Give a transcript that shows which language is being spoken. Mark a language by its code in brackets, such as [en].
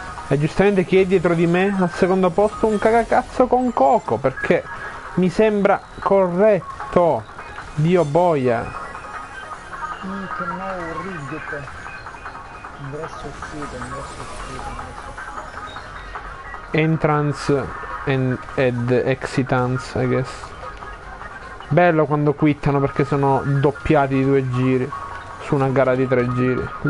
[it] E giustamente chi è dietro di me al secondo posto? Un cagacazzo con Coco, perché mi sembra corretto. Dio boia. Che male, riggete. Ingresso uscito, ingresso uscito. [en] Entrance and, exitance, I guess. [it] Bello quando quittano perché sono doppiati di due giri su una gara di tre giri.